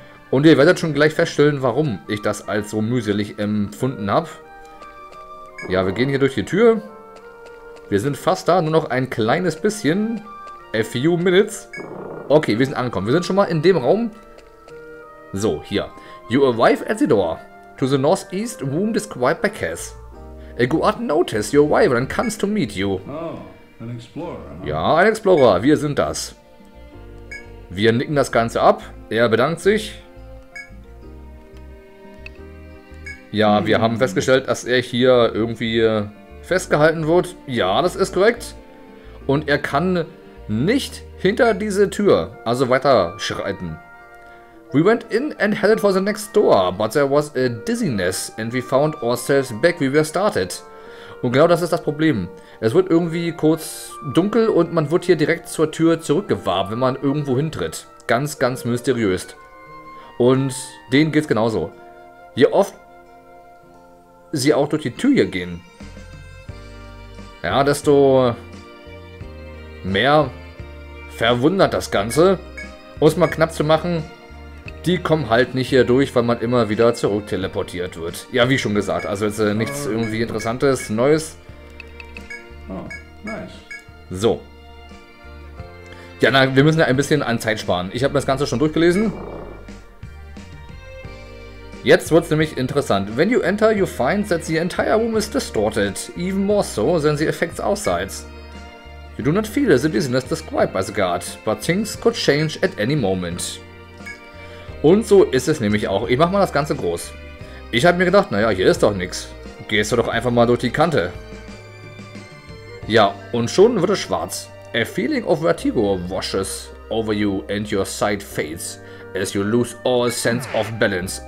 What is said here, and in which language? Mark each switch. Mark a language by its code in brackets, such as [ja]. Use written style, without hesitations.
[de] Und ihr werdet schon gleich feststellen, warum ich das als so mühselig empfunden habe. Ja, wir gehen hier durch die Tür. Wir sind fast da, nur noch ein kleines bisschen. [en] A few minutes. [de] Okay, wir sind angekommen. Wir sind schon mal in dem Raum. So, hier. [en] You arrive at the door to the northeast room described by Cass. A guard notices your arrival and comes to meet you. Oh, an explorer. Huh? [de] Ja, ein Explorer. Wir sind das. Wir nicken das Ganze ab. Er bedankt sich. Ja, wir haben festgestellt, dass er hier irgendwie festgehalten wird. Ja, das ist korrekt. Und er kann nicht hinter diese Tür, also weiter schreiten. [en] We went in and headed for the next door, but there was a dizziness and we found ourselves back where we started. [de] Und genau das ist das Problem. Es wird irgendwie kurz dunkel und man wird hier direkt zur Tür zurückgewarnt, wenn man irgendwo hintritt. Ganz, ganz mysteriös. Und denen geht's genauso. Je oft sie auch durch die Tür hier gehen, ja, desto mehr verwundert das Ganze. Um es mal knapp zu machen, die kommen halt nicht hier durch, weil man immer wieder zurück teleportiert wird. Ja, wie schon gesagt, also jetzt nichts irgendwie Interessantes, Neues. [en] Oh, nice. [de] So. Ja, na, wir müssen ja ein bisschen an Zeit sparen. Ich habe das Ganze schon durchgelesen. Jetzt wird es nämlich interessant. [en] When you enter, you find that the entire room is distorted. Even more so than the effects outside. You do not feel the business described by the guard, but things could change at any moment. [de] Und so ist es nämlich auch. Ich mach mal das Ganze groß. Ich habe mir gedacht, naja, hier ist doch nichts. Gehst du doch einfach mal durch die Kante. Ja, und schon wird es schwarz. [en] A feeling of vertigo washes over you and your sight fades as you lose all sense of balance.